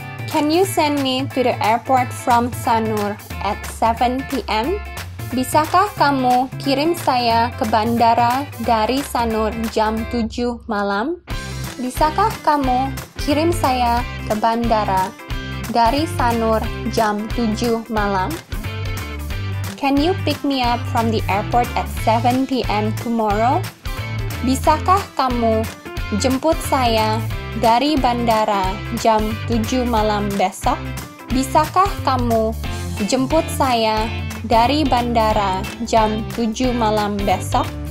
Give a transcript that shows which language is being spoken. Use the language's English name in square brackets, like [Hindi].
[English] Can you send me to the airport from Sanur at 7 p.m.? [Indonesian] Bisakah kamu kirim saya ke bandara dari Sanur jam 7 malam? Bisakah kamu kirim saya ke bandara dari Sanur jam 7 malam? [English] Can you pick me up from the airport at 7 p.m. tomorrow? [Indonesian] Bisakah kamu jemput saya dari bandara jam 7 malam besok? Bisakah kamu jemput saya dari bandara jam 7 malam besok?